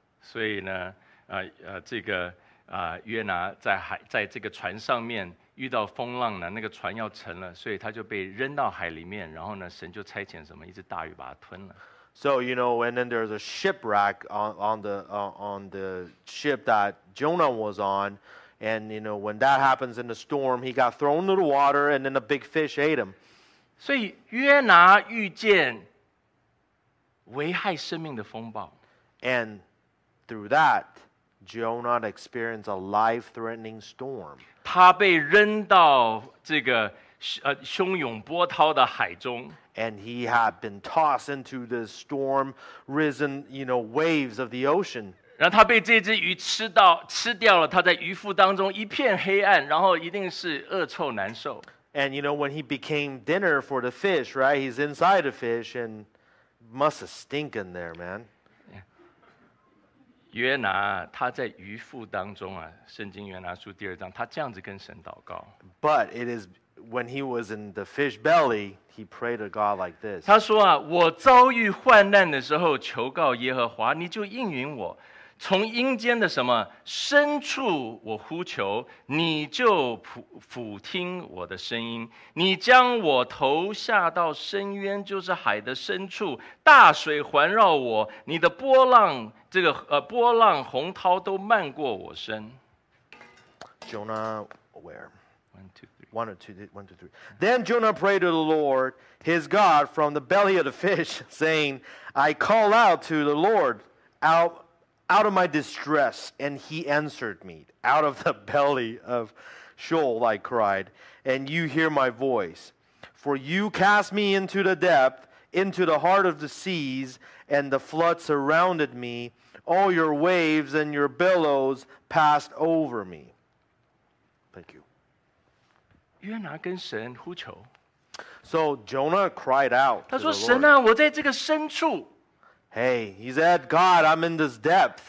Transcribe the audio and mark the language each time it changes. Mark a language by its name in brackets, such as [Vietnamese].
[Chinese] 所以呢，这个约拿在海，在这个船上面遇到风浪呢，那个船要沉了，所以他就被扔到海里面。然后呢，神就差遣什么，一只大鱼把它吞了。 [English] So you know, and then there's a shipwreck on the ship that Jonah was on, and you know when that happens in the storm, he got thrown into the water, and then a big fish ate him. [Chinese] 所以约拿遇见危害生命的风暴。 [English] And through that, Jonah experienced a life-threatening storm. [Chinese] 他被扔到这个汹涌波涛的海中。 [English] And he had been tossed into the storm-risen, you know, waves of the ocean. [Chinese] 然后他被这只鱼吃掉了，他在鱼腹当中一片黑暗，然后一定是恶臭难受。 [English] And you know, when he became dinner for the fish, right? He's inside the fish and must have stink in there, man. [Chinese] 约拿他在鱼腹当中啊，圣经约拿书第二章，他这样子跟神祷告。 [English] But it is when he was in the fish belly, he prayed to God like this. [Chinese] 他说啊，我遭遇患难的时候，求告耶和华，你就应允我。从阴间的什么深处我呼求，你就俯听我的声音，你将我投下到深渊，就是海的深处，大水环绕我，你的波浪这个波浪洪涛都漫过我身。 [English] Jonah where? 1, 2, 3. Then Jonah prayed to the Lord his God from the belly of the fish, saying, I call out to the Lord out of my distress, and he answered me. Out of the belly of Sheol I cried, and you hear my voice. For you cast me into the depth, into the heart of the seas, and the flood surrounded me. All your waves and your billows passed over me. Thank you. [Chinese] 约拿跟神呼求。 [English] So Jonah cried out to the Lord. [Chinese] 他说神啊，我在这个深处。 [English] Hey, he said, God, I'm in this depth.